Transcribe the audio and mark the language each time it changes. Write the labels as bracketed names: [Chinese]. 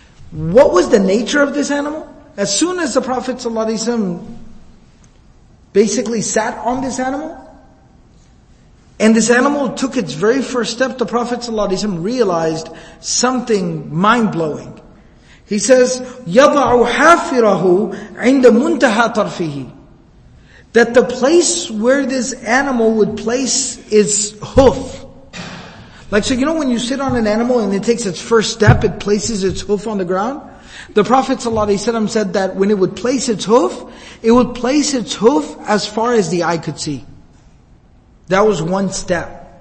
[English] What was the nature of this animal? As soon as the Prophet ﷺ basically sat on this animal, and this animal took its very first step, the Prophet ﷺ realized something mind-blowing. He says, [Arabic] يَضَعُ حَافِرَهُ عِنْدَ مُنْتَهَا طَرْفِهِ. [English] That the place where this animal would place its hoof. Like, so you know when you sit on an animal and it takes its first step, it places its hoof on the ground? The Prophet ﷺ said that when it would place its hoof, it would place its hoof as far as the eye could see. That was one step.